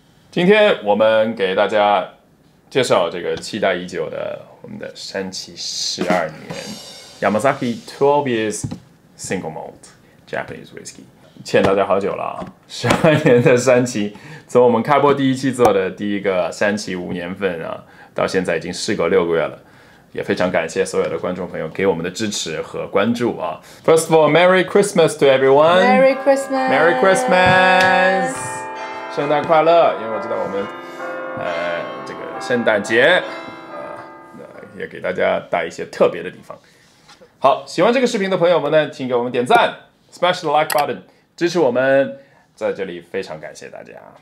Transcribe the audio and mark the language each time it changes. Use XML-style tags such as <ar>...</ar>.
<zh>今天我们给大家介绍这个期待已久的我们的山崎十二年 Yamazaki 12 Years Single Malt Japanese Whisky， 欠大家好久了，十二年的山崎，从我们开播第一期做的第一个山崎五年份啊，到现在已经事隔六个月了。也非常感谢所有的观众朋友给我们的支持和关注啊。</zh> <en>First of all, Merry Christmas to everyone. Merry Christmas. Merry Christmas.</en> <zh>圣诞快乐，因为我知道我们这个圣诞节也给大家带一些特别的地方。好，喜欢这个视频的朋友们呢，请给我们点赞，</zh> <en>smash the like button，</en> <zh>支持我们，在这里非常感谢大家。</zh>